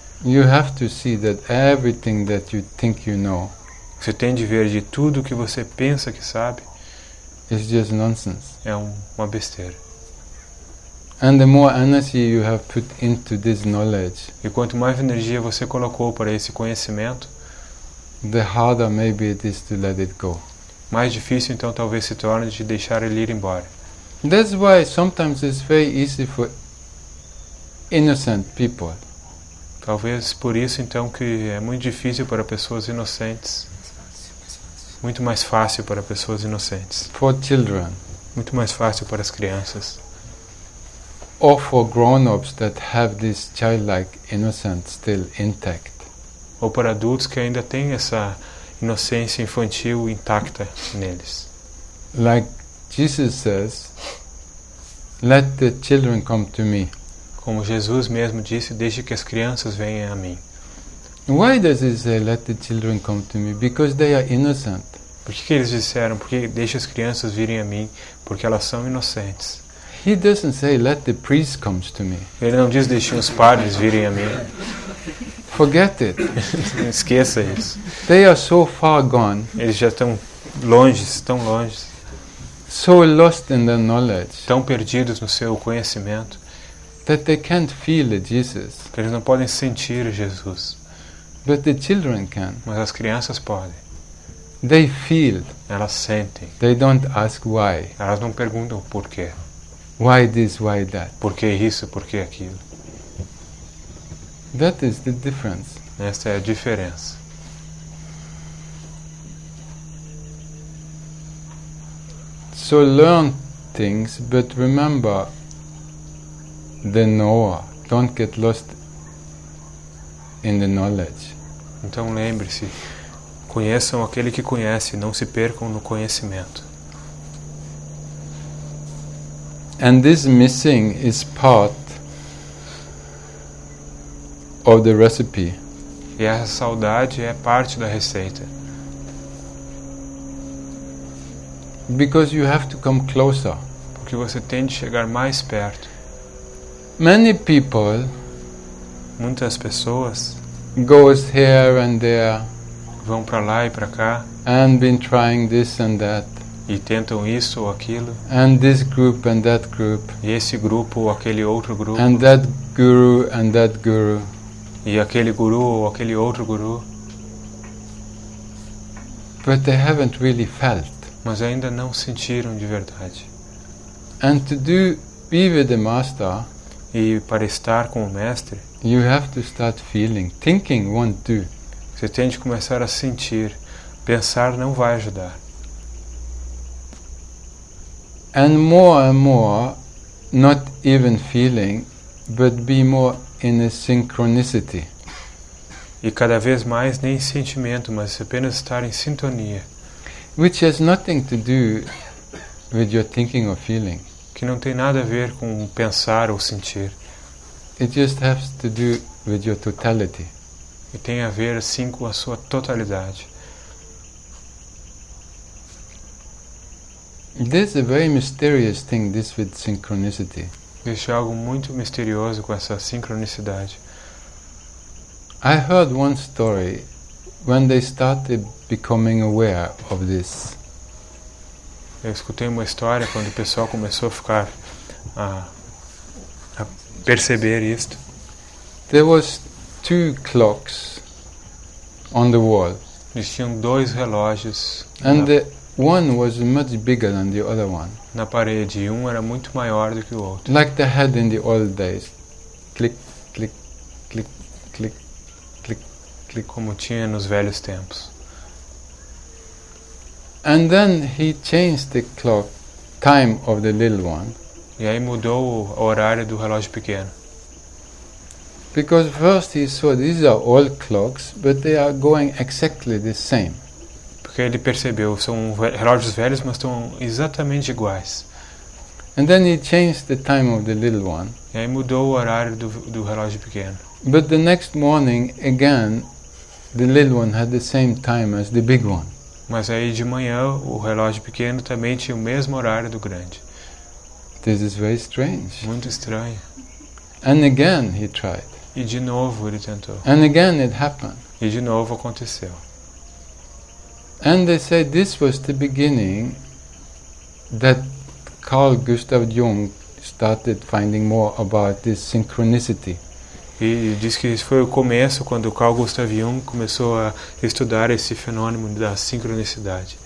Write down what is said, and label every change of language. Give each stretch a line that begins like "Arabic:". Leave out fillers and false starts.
English: you have to see that everything that you think you know,
Portuguese: você tem de ver de tudo que você pensa que sabe,
English: is just nonsense.
Portuguese: É uma besteira.
English: And the more energy you have put into this knowledge,
Portuguese: e quanto mais energia você colocou para esse conhecimento,
English: the harder maybe it is to let it go.
Portuguese: Mais difícil então talvez se torne de deixar ele ir embora.
English: That's why sometimes it's very easy for innocent people.
Portuguese: Talvez por isso então que é muito difícil para pessoas inocentes. Muito mais fácil para pessoas inocentes.
English: For children.
Portuguese: Muito mais fácil para as crianças.
English: Or for grown-ups that have this childlike innocence still intact.
Portuguese: Ou para adultos que ainda têm essa inocência infantil intacta neles.
English: Like Jesus says, let the children come to me.
Portuguese: Como Jesus mesmo disse, deixe que as crianças venham a mim.
English: Why does he say let the children come to me? Because they are innocent.
Portuguese: Por que eles disseram, porque deixe as crianças virem a mim, porque elas são inocentes.
English: He doesn't say let the priest come to me.
Portuguese: Ele não diz deixe os padres virem a mim.
English: Forget it.
Portuguese: Esqueça isso.
English: They are so far gone.
Portuguese: Eles já estão longe, estão longe.
English: So lost in their knowledge.
Portuguese: Tão perdidos no seu conhecimento.
English: That they can't feel Jesus.
Portuguese: Que eles não podem sentir Jesus.
English: But the children can.
Portuguese: Mas as crianças podem.
English: They feel.
Portuguese: Elas sentem.
English: They don't ask why.
Portuguese: Elas não perguntam por quê.
English: Why this, why that?
Portuguese: Por que isso, por que aquilo?
English: That is the difference.
Portuguese: Essa é a diferença.
English: So learn things, but remember the knower. Don't get lost in the knowledge.
Portuguese: Então lembre-se, conheçam aquele que conhece, não se percam no conhecimento.
English: And this missing is part of the recipe.
Portuguese: E essa saudade é parte da receita.
English: Because you have to come closer.
Portuguese: Porque você tem de chegar mais perto.
English: Many people,
Portuguese: muitas pessoas,
English: goes here and there,
Portuguese: vão para lá e para cá,
English: and been trying this and that.
Portuguese: E tentam isso ou aquilo.
English: And this group and that group.
Portuguese: E esse grupo ou aquele outro grupo.
English: And that guru and that guru.
Portuguese: E aquele guru ou aquele outro guru.
English: But they haven't really felt.
Portuguese: Mas ainda não sentiram de verdade.
English: And to do, be with the master.
Portuguese: E para estar com o mestre.
English: You have to start feeling. Thinking won't do.
Portuguese: Você tem de começar a sentir. Pensar não vai ajudar.
English: and more, not even feeling, but be more in a synchronicity.
Portuguese: E cada vez mais nem sentimento, mas apenas estar em sintonia.
English: Which has nothing to do with your thinking or feeling.
Portuguese: Que não tem nada a ver com pensar ou sentir.
English: It just has to do with your totality.
Portuguese: E tem a ver assim com a sua totalidade.
English: This is a very mysterious thing, this with synchronicity.
Portuguese: Isso é algo muito misterioso com essa sincronicidade.
English: I heard one story when they started becoming aware of this.
Portuguese: Eu escutei uma história quando o pessoal começou a ficar a perceber isto.
English: There was two clocks on the wall.
Portuguese: Existiam dois relógios.
English: And the one was much bigger than the other one.
Portuguese: Na parede, um era muito maior do que o outro.
English: Like the head in the old days. Click, click, click, click, click, click,
Portuguese: como tinha nos velhos tempos.
English: And then he changed the clock time of the little one.
Portuguese: E aí mudou o horário do relógio pequeno.
English: Because first he saw these are old clocks, but they are going exactly the same.
Portuguese: Porque ele percebeu, são relógios velhos, mas estão exatamente iguais.
English: And then he changed the time of the little one.
Portuguese: E aí mudou o horário do relógio pequeno.
English: But the next morning again the little one had the same time as the big one.
Portuguese: Mas aí de manhã o relógio pequeno também tinha o mesmo horário do grande.
English: This is very strange.
Portuguese: Muito estranho.
English: And again he tried.
Portuguese: E de novo ele tentou.
English: And again it happened.
Portuguese: E de novo aconteceu.
English: And they say this was the beginning that Carl Gustav Jung started finding more about this synchronicity.
Portuguese: E diz que isso foi o começo quando Carl Gustav Jung começou a estudar esse fenômeno da sincronicidade.